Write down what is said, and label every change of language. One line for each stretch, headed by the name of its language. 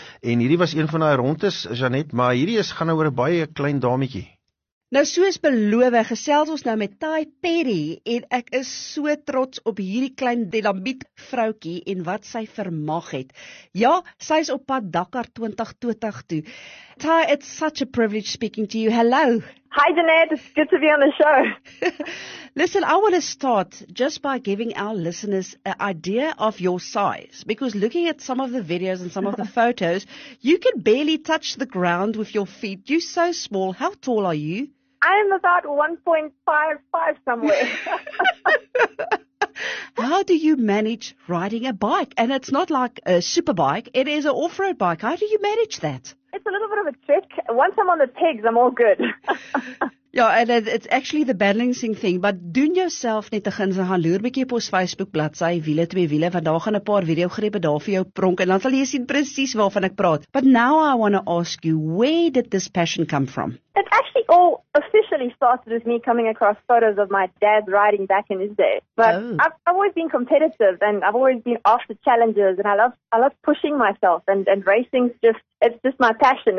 Afrikaans: En hierdie was een van daai rondes, Janet, maar hierdie is gaan nou oor 'n baie klein dametjie. Nou soos beloof, gesels ons nou met Ty Perry en ek is so trots op hierdie klein Delambiet vroutjie en wat sy vermag het. Ja, sy is op pad Dakar 2020 toe.
English: Ty, it's such a privilege speaking to you. Hello. Hi, Jeanette. It's good to be on the show. Listen, I want to start just by giving our listeners an idea of your size. Because looking at some of the videos and some of the photos, you can barely touch the ground with your feet. You're so small. How tall are you? I'm about 1.55 somewhere. How do you manage riding a bike? And it's not like a super bike. It is an off-road bike. How do you manage that? It's a little bit of a trick. Once I'm on the pegs, I'm all good. Yeah, and it's actually the balancing thing.
Afrikaans: But doen yourself net te gins en gaan loer bietjie op ons Facebook bladsy wiele twee wiele, want daar gaan 'n paar video grepe daar vir jou pronk en dan sal jy sien presies waarvan ek praat.
English: But now I want to ask you, where did this passion come from? It actually all officially started with me coming across photos of my dad riding back in his day. But oh. I've always been competitive and I've always been after challenges and I love pushing myself and racing's just it's just my passion.